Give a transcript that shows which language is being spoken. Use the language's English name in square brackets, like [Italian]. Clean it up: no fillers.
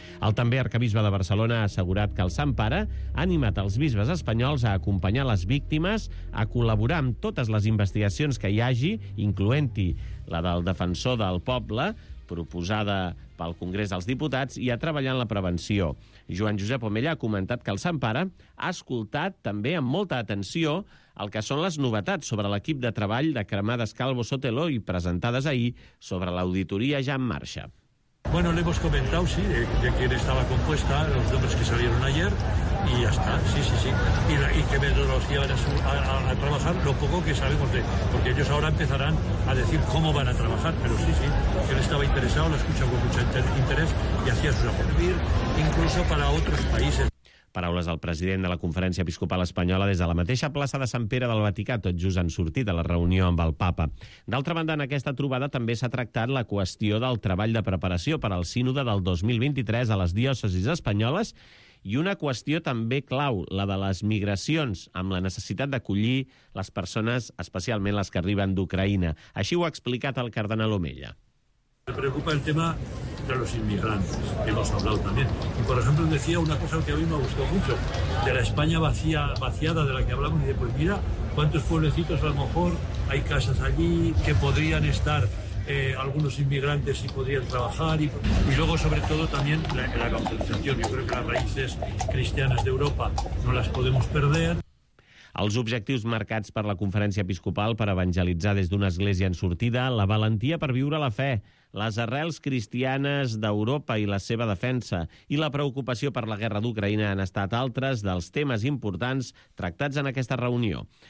[Catalan] El també arcabisbe de Barcelona ha assegurat que el Sant Pare ha animat els bisbes espanyols a acompanyar les víctimes, a col·laborar amb totes les investigacions que hi hagi, incloent-hi la del Defensor del Poble, proposada pel Congrés dels Diputats, i a treballar en la prevenció. Joan Josep Omella ha comentat que el Sant Pare ha escoltat també amb molta atenció el que són les novetats sobre l'equip de treball de Cremades Calvo Sotelo i presentades ahir sobre l'auditoria ja en marxa. [Spanish] Bueno, le hemos comentado, sí, de quién estaba compuesta, los nombres que salieron ayer, y ya está, sí. Y qué metodología van a trabajar, lo poco que sabemos de... Porque ellos ahora empezarán a decir cómo van a trabajar, pero sí, él estaba interesado, lo escuchaba con mucho interés, y hacía sus aportes, incluso para otros países. [Catalan] Paraules del president de la Conferència Episcopal Espanyola des de la mateixa plaça de Sant Pere del Vaticà, tot just en sortir de la reunió amb el Papa. D'altra banda, en aquesta trobada també s'ha tractat la qüestió del treball de preparació per al sínode del 2023 a les diòcesis espanyoles i una qüestió també clau, la de les migracions, amb la necessitat d'acollir les persones, especialment les que arriben d'Ucraïna. Així ho ha explicat el cardenal Omella. [Spanish] Me preocupa el tema de los inmigrantes, hemos hablado también. Y por ejemplo, decía una cosa que a mí me gustó mucho, de la España vaciada de la que hablamos, y de pues mira, cuántos pueblecitos a lo mejor hay casas allí que podrían estar algunos inmigrantes sí podrían trabajar. Y luego, sobre todo, también la evangelización. Yo creo que las raíces cristianas de Europa no las podemos perder. [Catalan] Els objectius marcats per la Conferència Episcopal per evangelitzar des d'una església en sortida, la valentia per viure la fe, les arrels cristianes d'Europa i la seva defensa, i la preocupació per la guerra d'Ucraïna han estat altres dels temes importants tractats en aquesta reunió.